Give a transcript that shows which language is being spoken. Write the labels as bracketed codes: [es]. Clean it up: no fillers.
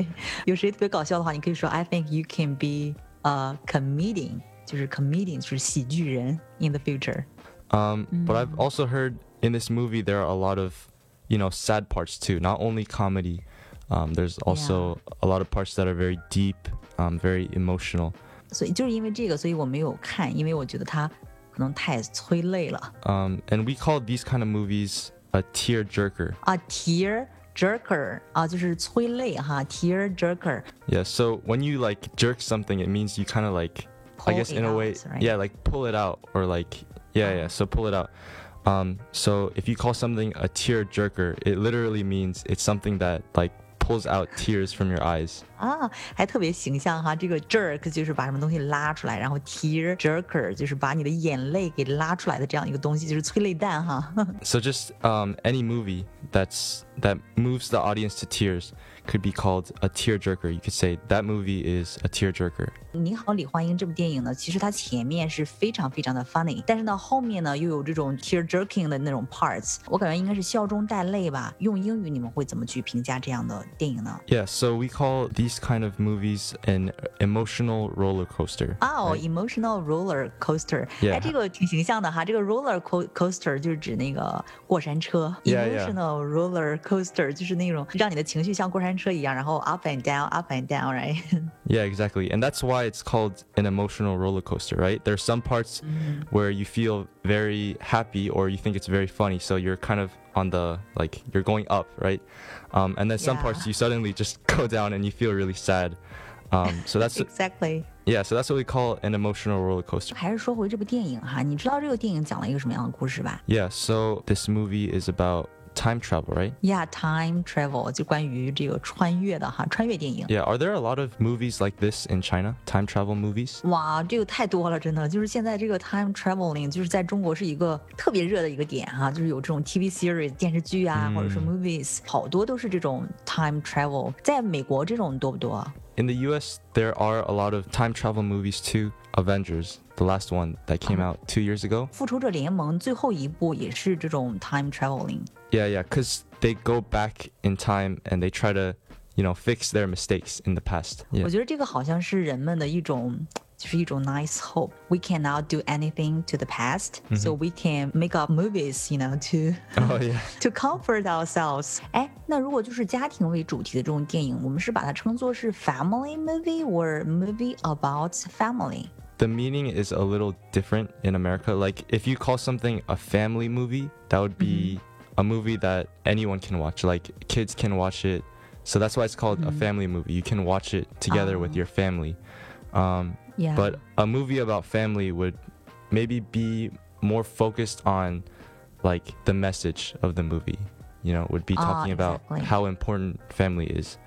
[zh] 对，有谁特别搞笑的话，你可以说 [en] I think you can be a comedian, [zh] 就是 comedian 就是喜剧人 [en] in the future.、 but I've also heardIn this movie, there are a lot of, you know, sad parts too. Not only comedy,、there's also、a lot of parts that are very deep,、very emotional. [zh] So, 就是因为这个，所以我没有看，因为我觉得它可能太催泪了。 [en] And we call these kind of movies a tear jerker. [zh] A tear jerker, 啊，就是催泪哈 tear jerker. [en] Yeah, so when you like jerk something, it means you kind of like, pull I guess in out, a way,、 right? yeah, like pull it out or like, yeah, yeah, so pull it out. So if you call something a tear jerker, it literally means it's something that like pulls out tears from your eyes. [zh] 啊，还特别形象哈，这个 jerk 就是把什么东西拉出来，然后 tear jerker 就是把你的眼泪给拉出来的这样一个东西，就是催泪弹哈。 [en] So just any movie that moves the audience to tears could be called a tear jerker. You could say that movie is a tear jerker. [zh] 你好，李焕英这部电影呢，其实它前面是非常非常的 funny， 但是呢后面呢又有这种 tear jerking 的那种 parts， 我感觉应该是笑中带泪吧。用英语你们会怎么去评价这样的电影呢？ [en] Yeah, so we call these kind of movies an emotional roller coaster. Oh, emotional roller coaster. Yeah. [zh] 哎，这个挺形象的哈，这个 roller coaster 就是指那个过山车。 Emotional roller coaster 就是那种让你的情绪像过山车一样，然后 [en] up and down, right? Yeah, exactly. And that's why it's called an emotional roller coaster, right? There are some parts where you feel very happy or you think it's very funny, so you're kind of on the, like, you're going up, right? And then some parts you suddenly just go down and you feel really sad. So that's exactly. Yeah, so that's what we call an emotional roller coaster. [zh] 还是说回这部电影哈，你知道这个电影讲了一个什么样的故事吧？ [en] Yeah, so this movie is about time travel, right? [zh] Yeah, time travel, 就关于这个穿越的哈，穿越电影。 [en] Yeah, are there a lot of movies like this in China? Time travel movies? [zh] 哇，这个太多了，真的。就是现在这个 time traveling 就是在中国是一个特别热的一个点哈，就是有这种 TV series 电视剧啊，或者是 movies， 好多都是这种 time travel。在美国这种多不多？ [en] In the US, there are a lot of time travel movies too. Avengers, the last one that came out 2 years ago. [zh] 复仇者联盟最后一部也是这种 time traveling. [en] Yeah, yeah, because they go back in time and they try to, you know, fix their mistakes in the past. Yeah. [zh] 我觉得这个好像是人们的一种就是一种 nice hope. [en] We cannot do anything to the past, so we can make up movies, you know, to,、to comfort ourselves. [zh] 哎，那如果就是家庭为主题的这种电影，我们是把它称作是 family movie or movie about family? [en] The meaning is a little different in America. Like, if you call something a family movie, that would be、a movie that anyone can watch. Like, kids can watch it. So that's why it's called、a family movie. You can watch it together、with your family. Yeah. But a movie about family would maybe be more focused on like the message of the movie, you know, would be talking about how important family is.